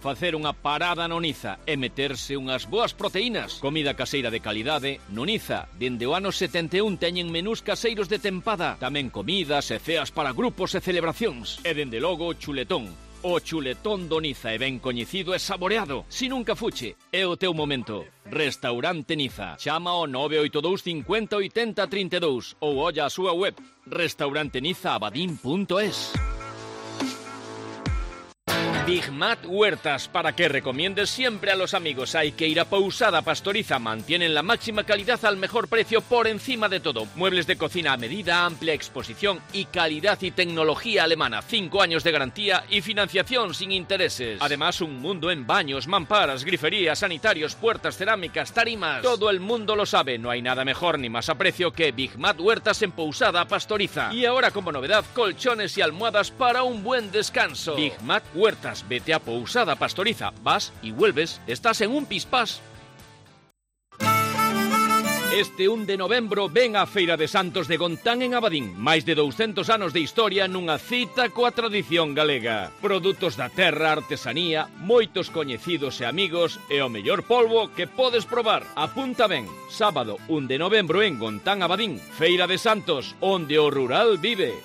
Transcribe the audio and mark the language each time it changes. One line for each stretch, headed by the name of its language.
Galician: Facer unha parada no Niza e meterse unhas boas proteínas, comida caseira de calidade no Niza. Dende o ano 71 teñen menús caseiros de tempada, tamén comidas e ceas para grupos e celebracións. E dende logo chuletón. O chuletón do Niza é ben coñecido e saboreado. Si nunca fuche, é o teu momento. Restaurante Niza. Chama ao 982 50 80 32 ou olla a súa web restauranteniza.abadín.es.
Spanish: Digmat Huertas, para que recomiendes siempre a los amigos. Hay que ir a Pousada Pastoriza, mantienen la máxima calidad al mejor precio por encima de todo. Muebles de cocina a medida, amplia exposición y calidad y tecnología alemana. 5 años de garantía y financiación sin intereses. Además, un mundo en baños, mamparas, griferías, sanitarios, puertas, cerámicas, tarimas. Todo el mundo lo sabe, no hay nada mejor ni más a precio que Digmat Huertas en Pousada Pastoriza. Y ahora como novedad, colchones y almohadas para un buen descanso. Digmat Huertas. Vete a Pousada Pastoriza. Vas y vuelves. Estás en un pispás.
Galician: Este 1 de novembro ven a Feira de Santos de Gontán en Abadín. Máis de 200 anos de historia nunha cita coa tradición galega. Produtos da terra, artesanía, moitos coñecidos e amigos e o mellor polvo que podes probar. Apunta ben. Sábado 1 de novembro en Gontán, Abadín. Feira de Santos, onde o rural vive.